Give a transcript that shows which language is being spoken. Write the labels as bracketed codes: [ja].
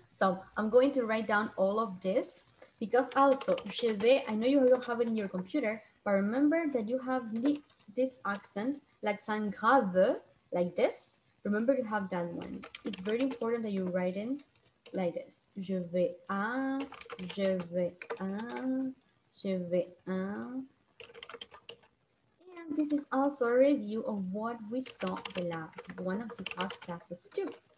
[en] So I'm going to write down all of this because also, [fr] je vais, [en] I know you don't have it in your computer, but remember that you have this accent, [fr] l'accent grave, [en] like this. Remember to have that one. It's very important that you write in like this. [fr] Je vais à, je vais à, je vais à. [en] And this is also a review of what we saw in one of the past classes too.